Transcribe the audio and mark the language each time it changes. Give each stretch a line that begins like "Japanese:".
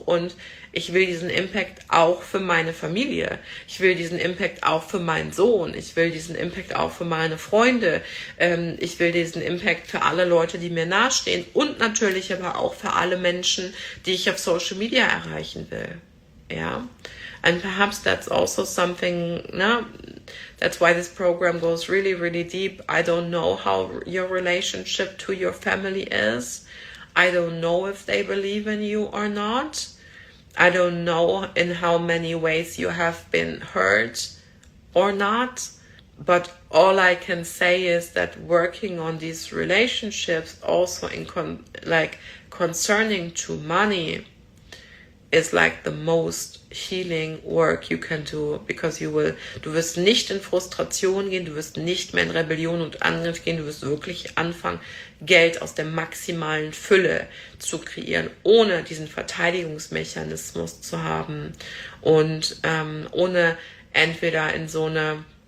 German: Und ich will diesen Impact auch für meine Familie. Ich will diesen Impact auch für meinen Sohn. Ich will diesen Impact auch für meine Freunde. Ich will diesen Impact für alle Leute, die mir nahestehen. Und natürlich aber auch für alle Menschen, die ich auf Social Media erreichen will. Ja.
English: And perhaps that's also something,
German: ne?
English: That's why this program goes really, really deep. I don't know how your relationship to your family is. I don't know if they believe in you or not. I don't know in how many ways you have been hurt or not. But all I can say is that working on these relationships also in concerning to money is like the most healing work you can do, because
German: du wirst nicht in Frustration gehen, du wirst nicht mehr in Rebellion und Angriff gehen, du wirst wirklich anfangen, Geld aus der maximalen Fülle zu kreieren, ohne diesen Verteidigungsmechanismus zu haben und ohne entweder in so eine